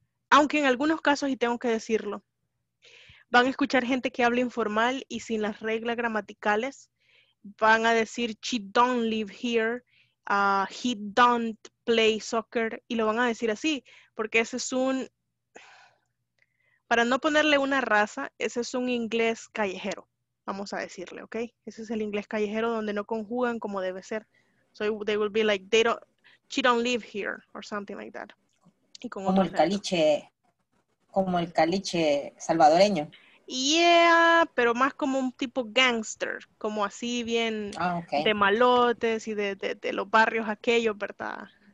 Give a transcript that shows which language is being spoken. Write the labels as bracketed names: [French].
[Spanish] Aunque en algunos casos, y tengo que decirlo, van a escuchar gente que habla informal y sin las reglas gramaticales, van a decir, [English] she don't live here. He don't play soccer, [Spanish] y lo van a decir así, porque ese es un, para no ponerle una raza, ese es un inglés callejero, vamos a decirle, ¿ok? Ese es el inglés callejero donde no conjugan como debe ser. [English] So they will be like, they don't, she don't live here, or something like that. [Spanish] Y con como el retos. Caliche, como el caliche salvadoreño. Yeah, pero más como un tipo gangster, como así bien de malotes y de los barrios aquellos, ¿verdad?